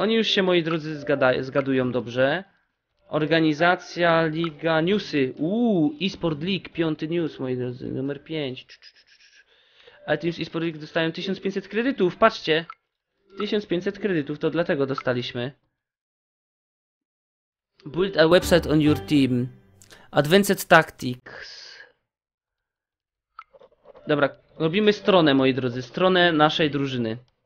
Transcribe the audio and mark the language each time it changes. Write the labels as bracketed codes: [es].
[pl] Oni już się, moi drodzy, zgadują dobrze. Organizacja, liga, newsy. Esport League, piąty news, moi drodzy, numer 5. Ale Teams Esport League dostają 1500 kredytów, patrzcie. 1500 kredytów, to dlatego dostaliśmy. [en] Build a website on your team. Advanced Tactics. [pl] Dobra, robimy stronę, moi drodzy, stronę naszej drużyny.